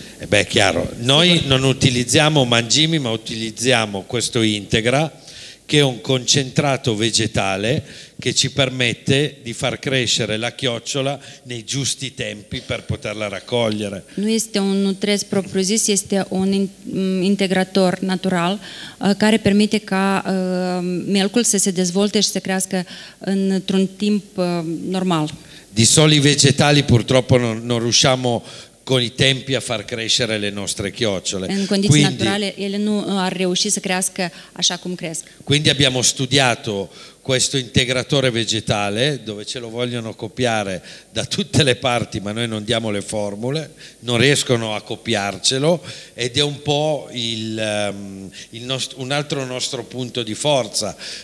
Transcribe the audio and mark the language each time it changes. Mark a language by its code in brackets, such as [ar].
[it] Beh, chiaro, noi non utilizziamo mangimi, ma utilizziamo questo Integra, che è un concentrato vegetale che ci permette di far crescere la chiocciola nei giusti tempi per poterla raccogliere. [ro] Nu este un nutrez propriu zis, este un integrator natural care permite ca melcul să se dezvolte și să crească într-un timp normal. [it] Di soli vegetali purtroppo non riusciamo con i tempi a far crescere le nostre chiocciole. In condizioni naturali [ro] ele nu ar reuși să crească așa cum cresc. [it] Quindi abbiamo studiato questo integratore vegetale, dove ce lo vogliono copiare da tutte le parti, ma noi non diamo le formule, non riescono a copiarcelo, ed è un po' un altro nostro punto di forza.